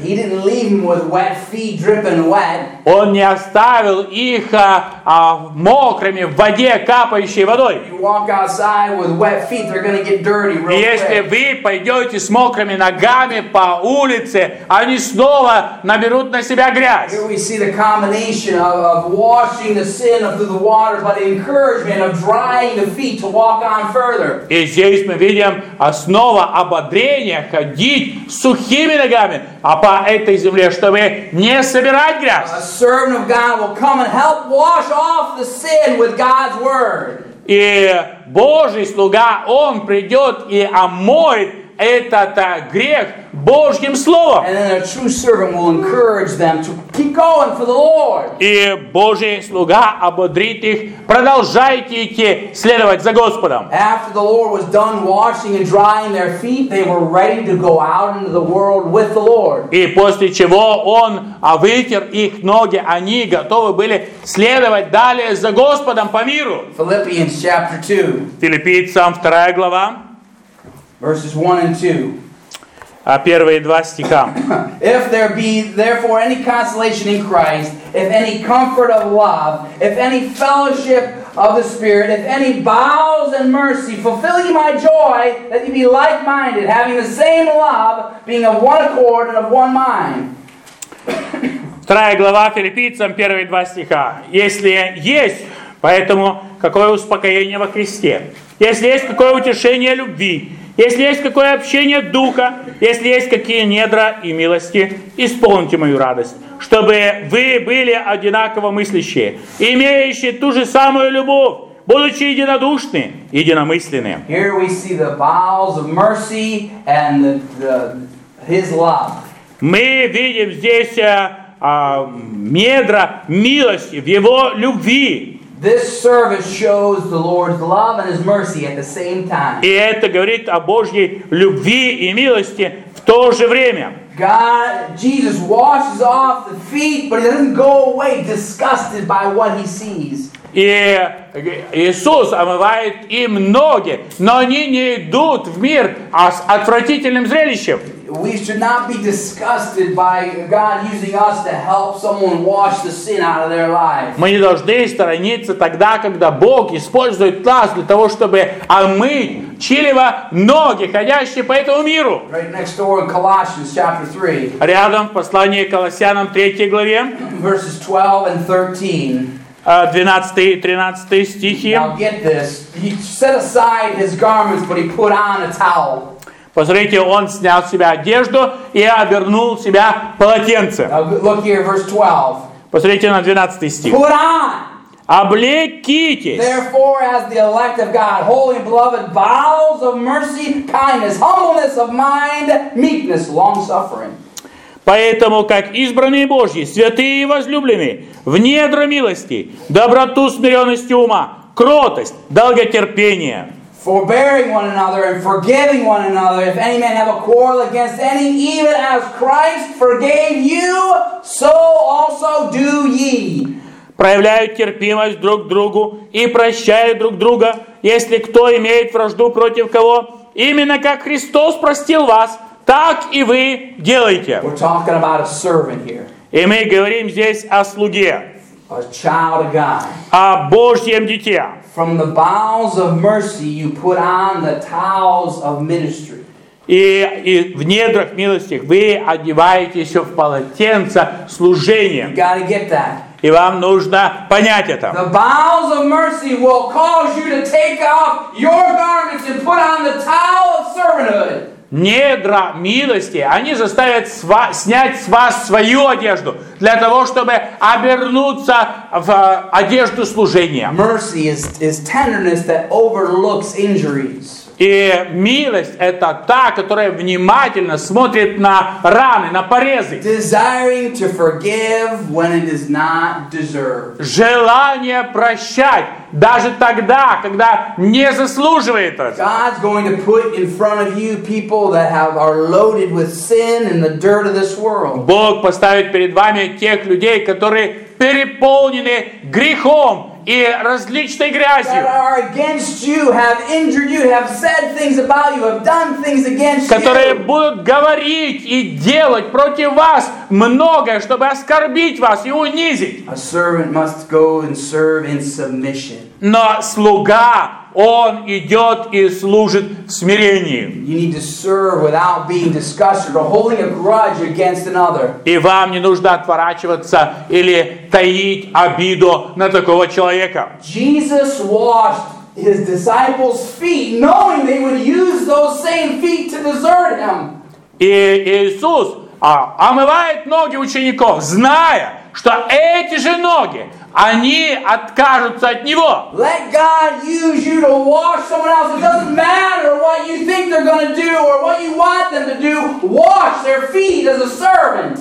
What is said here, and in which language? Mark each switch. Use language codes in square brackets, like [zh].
[en] He didn't leave him with wet feet, dripping wet. [ru] Он не оставил их мокрыми в воде, капающей водой. [en] You walk outside with wet feet, they're gonna get dirty real quick. [ru] Если вы пойдете с мокрыми ногами по улице, они снова наберут на себя грязь. [en] Here we see the combination of washing the sin through the water, but the encouragement of drying the feet to walk on further. [ru] И здесь мы видим снова ободрение ходить сухими ногами, а по этой земле, чтобы не собирать грязь. [en] A servant of God will come and help wash off the sin with God's word. [ru] И Божий слуга, он придет и омоет этот грех Божьим Словом. [en] And then their true servant will encourage them to keep going for the Lord. [ru] И Божий слуга ободрит их: продолжайте идти, следовать за Господом. [en] After the Lord was done washing and drying their feet, they were ready to go out into the world with the Lord. [ru] И после чего он вытер их ноги, они готовы были следовать далее за Господом по миру. [en] Philippians chapter 2. [ru] Филиппийцам 2 глава. [en] Verses 1 and 2. [ru] А первые два стиха. [en] If there be therefore any consolation in Christ, if any comfort of love, if any fellowship of the Spirit, if any bowels and mercy, fulfill ye my joy, that ye be like-minded, having the same love, being of one accord and of one mind. [ru] Вторая глава Филиппийцам, первые два стиха. Если есть, поэтому какое успокоение во Христе? Если есть, какое утешение любви? Если есть какое общение Духа, если есть какие недра и милости, исполните мою радость, чтобы вы были одинаково мыслящие, имеющие ту же самую любовь, будучи единодушны, единомысленны. [en] Here we see the bowels of mercy and his love. [ru] Мы видим здесь недра милости в его любви. [en] This service shows the Lord's love and His mercy at the same time. [ru] И это говорит о Божьей любви и милости в то же время. [en] God, Jesus washes off the feet, but He doesn't go away disgusted by what He sees. [ru] И Иисус омывает им ноги, но они не идут в мир с отвратительным зрелищем. [en] We should not be disgusted by God using us to help someone wash the sin out of their life. [ru] Мы не должны сторониться тогда, когда Бог использует нас для того, чтобы омыть чьи-либо ноги, ходящие по этому миру. [en] Right next door in Colossians chapter 3. [ru] Рядом в послании к Колоссянам 3 главе. [en] Verses 12 and 13. [ru] 12 и 13 стихи. [en] Now get this. He set aside his garments, but he put on a towel. [ru] Посмотрите, он снял с себя одежду и обернул себя полотенцем. [en] Look here, verse 12. [ru] Посмотрите на 12 стих. [en] Put on. [ru] Облекитесь. [en] Therefore, as the elect of God, holy beloved, bowels of mercy, kindness, humbleness of mind, meekness, long-suffering. [ru] Поэтому, как избранные Божьи, святые и возлюбленные, в недра милости, доброту, смиренности ума, кротость, долготерпение. [en] Forbearing one another and forgiving one another. If any man have a quarrel against any, even as Christ forgave you, so also do ye. [ru] Проявляют терпимость друг к другу и прощают друг друга, если кто имеет вражду против кого. Именно как Христос простил вас, так и вы делайте. [en] We're talking about a servant here. [ru] И мы говорим здесь о слуге. [en] A child of God. [ru] О Божьем дитя. [en] From the bowels of mercy you put on the towels of ministry. [ru] И в недрах милости вы одеваетесь в полотенце служения. [en] You gotta get that. [ru] И вам нужно понять это. [en] The bowels of mercy will cause you to take off your garments and put on the towel of servanthood. [ru] Недра милости, они заставят снять с вас свою одежду для того, чтобы обернуться в одежду служения. [en] Mercy is tenderness that overlooks injuries. [ru] И милость — это та, которая внимательно смотрит на раны, на порезы. [en] Desiring to forgive when it is not deserved. [ru] Желание прощать даже тогда, когда не заслуживает этого. [en] God's going to put in front of you people that are loaded with sin and the dirt of this world. [ru] Бог поставит перед вами тех людей, которые переполнены грехом и различной грязью, [en] that are against you, have injured you, have said things about you, have done things against you, [ru] которые будут говорить и делать против вас многое, чтобы оскорбить вас и унизить. [en] A servant must go and serve in submission. [ru] Но слуга, он идет и служит в смирении. [en] You need to serve without being disgusted or holding a grudge against another. [ru] И вам не нужно отворачиваться или таить обиду на такого человека. [en] Jesus washed his disciples' feet, knowing they would use those same feet to desert him. [ru] И Иисус омывает ноги учеников, зная, что эти же ноги, они откажутся от Него. [en] Let God use you to wash someone else. It doesn't matter what you think they're going to do or what you want them to do. Wash their feet as a servant.